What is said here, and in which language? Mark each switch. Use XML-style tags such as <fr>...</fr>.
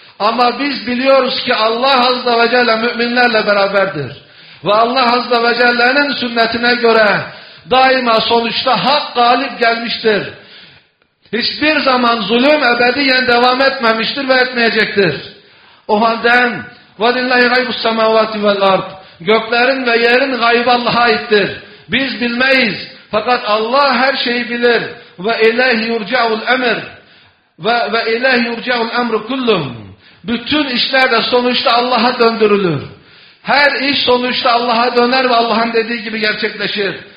<tr>Ama biz biliyoruz ki Allah Azze ve Celle müminlerle beraberdir. Ve Allah Azze ve Celle'nin sünnetine göre daima sonuçta hak galip gelmiştir. Hiçbir zaman zulüm ebediyen devam etmemiştir ve etmeyecektir. O halde</tr> <ar>وَلِلَّهِ غَيْبُ السَّمَوَاتِ وَالْاَرْضِ.</ar> <tr>Göklerin ve yerin gaybı Allah'a aittir. Biz bilmeyiz. Fakat Allah her şeyi bilir.</tr> <ar>وَاِلَيْهِ يُرْجَعُ الْاَمْرِ وَاِلَيْهِ يُرْجَعُ الْاَمْرُ كُلُّمْ.</ar> <tr>Bütün işler de sonuçta Allah'a döndürülür. Her iş sonuçta Allah'a döner ve Allah'ın dediği gibi gerçekleşir.</tr>